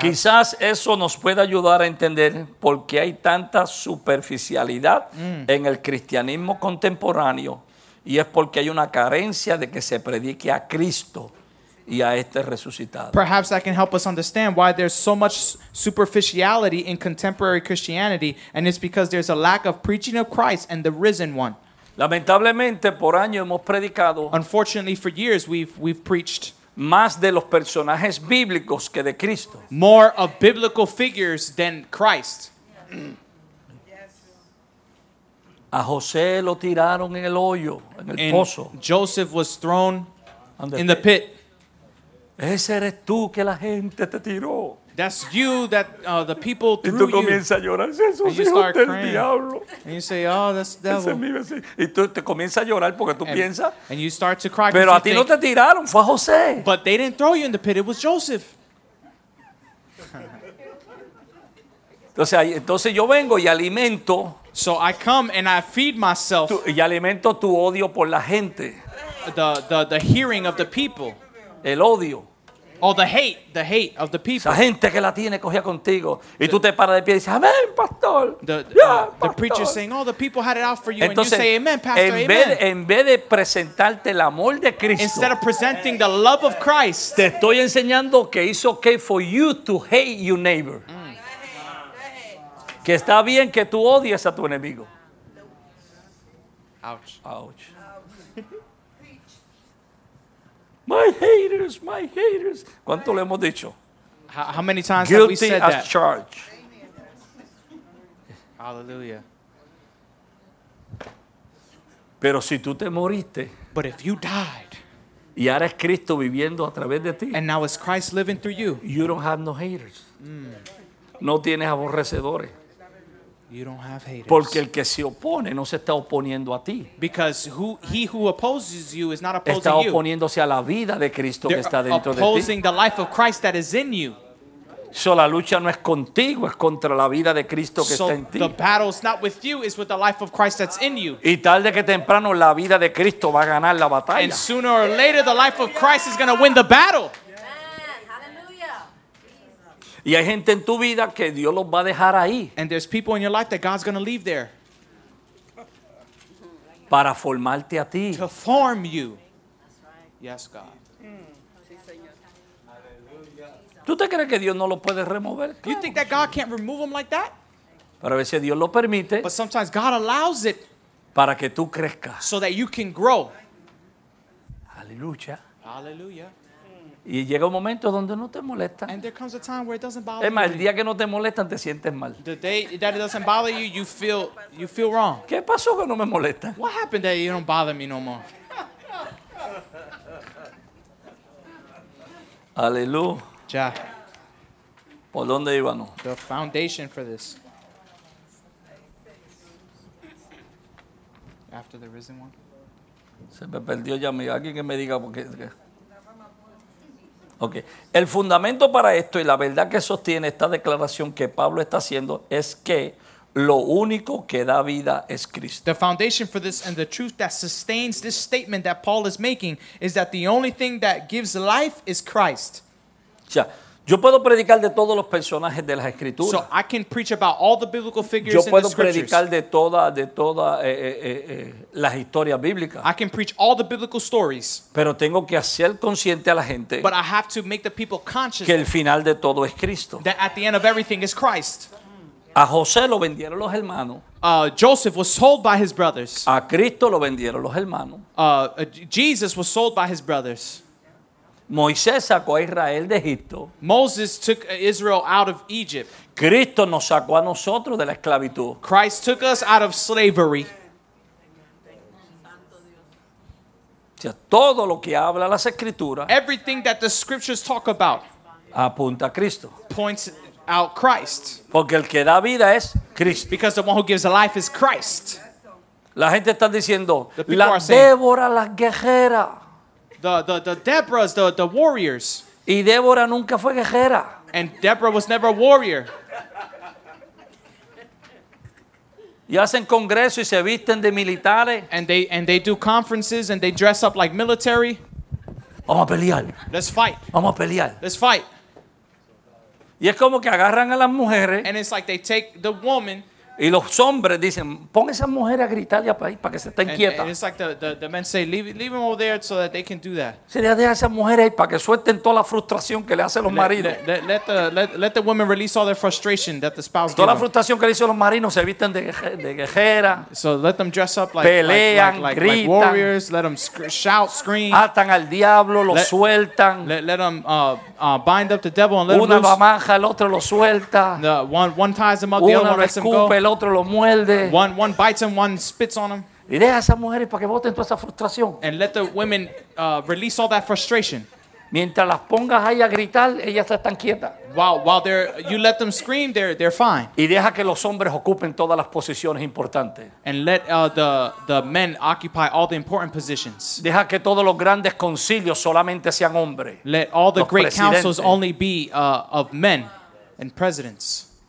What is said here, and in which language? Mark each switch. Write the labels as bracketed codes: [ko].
[es] Quizás eso nos pueda ayudar a entender por qué hay tanta superficialidad en el cristianismo contemporáneo, y es porque hay una carencia de que se predique a Cristo y a este resucitado. [en] Perhaps that can help us understand why there's so much superficiality in contemporary Christianity, and it's because there's a lack of preaching of Christ and the risen one. [es] Lamentablemente, por año hemos predicado. [en] Unfortunately, for years we've preached [es] más de los personajes bíblicos que de Cristo. [en] More of biblical figures than Christ. [es] A José lo tiraron en el hoyo, en el pozo. [en] Joseph was thrown in the pit. [es] Ese eres tú que la gente te tiró. [en] That's you that the people threw you. [es] Y tú comienzas a llorar. Eso es hijo del diablo. [en] And you say, oh, that's the devil. [es] Es y tú te comienzas a llorar porque tú piensas. [en] And you start to cry. [es] Pero a ti no te tiraron, fue a José. [en] But they didn't throw you in the pit, it was Joseph. [es] Entonces yo vengo y alimento. [en] So I come and I feed myself. [es] Y alimento tu odio por la gente. [en] The hearing of the people. [es] El odio. [en] Oh, the hate of the people. [es] La gente que la tiene cogía contigo. Y tú te paras de pie y dices, amén, pastor. [en] The preacher saying, oh, the people had it out for you. [es] Entonces, [en] and you say, amen, pastor, [es] en [en] amen. [es] En vez de presentarte el amor de Cristo. [en] Instead of presenting the love of Christ. [es] Te estoy enseñando que [en] it's okay for you to hate your neighbor. [es] Que está bien que tú odies a tu enemigo. [en] Ouch. My haters. [es] ¿Cuánto le hemos dicho? [en] How many times guilty have we said that? Guilty as charged. Hallelujah. [es] Pero si tú te moriste. [en] But if you died. [es] Y ahora es Cristo viviendo a través de ti. [en] And now is Christ living through you. You don't have no haters. [es] No tienes aborrecedores. [en] You don't have haters. [es] Porque el que se opone no se está oponiendo a ti. [en] Because he who opposes you is not opposing you. [es] Está oponiéndose a la vida de Cristo que está dentro de ti. [en] Opposing the life of Christ that is in you. [es] So la lucha no es contigo, es contra la vida de Cristo que está en ti. [en] So the battle is not with you, it's with the life of Christ that's in you. [es] Y tarde que temprano la vida de Cristo va a ganar la batalla. [en] And sooner or later the life of Christ is going to win the battle. [es] Y hay gente en tu vida que Dios los va a dejar ahí. [en] And there's people in your life that God's going to leave there. [es] Para formarte a ti. [en] To form you. Yes, God. [es] ¿Tú te crees que Dios no lo puede remover? [en] You think that God can't remove them like that? [es] Pero a veces Dios lo permite. [en] But sometimes God allows it. [es] Para que tú crezcas. [en] So that you can grow. [es] Aleluya. Aleluya. Y llega un momento donde no te molesta. [en] And there comes a time where it doesn't bother [es] you. Es más, el día que no te molestan te sientes mal. [en] The day that it doesn't bother you, you feel wrong. [es] ¿Qué pasó que no me molesta? [en] What happened that you don't bother me no more? [es] Aleluya. ¿Por dónde iba? [en] The foundation for this. After the risen one. [es] Se me perdió ya, amigo. Alguien que me diga por qué. [en] Okay. [es] El fundamento para esto y la verdad que sostiene esta declaración que Pablo está haciendo es que lo único que da vida es Cristo. [en] The foundation for this and the truth that sustains this statement that Paul is making is that the only thing that gives life is Christ. [es] Ya. Yo puedo predicar de todos los personajes de las Escrituras. [en] So I can preach about all the biblical figures in the Scriptures. [es] Yo puedo predicar de todas las historias bíblicas. [en] I can preach all the biblical stories. [es] Pero tengo que hacer consciente a la gente. [en] But I have to make the people conscious. [es] Que el final de todo es Cristo. [en] That at the end of everything is Christ. [es] A José lo vendieron los hermanos. [en] Joseph was sold by his brothers. [es] A Cristo lo vendieron los hermanos. [en] Jesus was sold by his brothers. [es] Moisés sacó a Israel de Egipto. [en] Moses took Israel out of Egypt. [es] Cristo nos sacó a nosotros de la esclavitud. [en] Christ took us out of slavery. [es] O sea, todo lo que habla las Escrituras. [en] Everything that the Scriptures talk about. [es] apunta a Cristo. [en] Points out Christ. [es] Porque el que da vida es Cristo. [en] Because the one who gives life is Christ. [es] La gente está diciendo, la Débora, la guerrera. [en] The Deborahs, the warriors. [es] Y Débora nunca fue guerrera. [en] And Deborah was never a warrior. [es] Y hacen congreso y se visten de militares. [en] And they do conferences and they dress up like military. [es] Vamos a pelear. [en] Let's fight. [es] Vamos a pelear. [en] Let's fight. [es] Y es como que agarran a las mujeres. [en] And it's like they take the woman. [es] Y los hombres dicen, pon esas mujeres a gritar ya para que se estén quietas. [en] It's like the men say, leave them over there so that they can do that. [es] Se le deja a esas mujeres ahí para que suelten toda la frustración que le hacen los maridos. [en] Let the women release all their frustration that the spouse. [es] Toda la frustración que le hizo los maridos, se visten de guerrera. [en] So let them dress up like, [es] pelean, [en] like warriors. Let them shout, scream. [es] Atan al diablo, lo sueltan. [en] Let them bind up the devil and let [es] una [en] him loose. [es] Una mamaja, el otro lo suelta. [en] One ties them up, the other lets them go. [es] El otro lo muerde. [en] One bites him, one spits on him. [es] Y deja a esas mujeres para que boten toda esa frustración. [en] And let the women release all that frustration. [es] Mientras las pongas ahí a gritar, ellas están quietas. [en] While they're, you let them scream, they're fine. [es] Y deja que los hombres ocupen todas las posiciones importantes. [en] And let the men occupy all the important positions. [es] Deja que todos los grandes concilios solamente sean hombres. [en] Let all the great councils only be of men and presidents.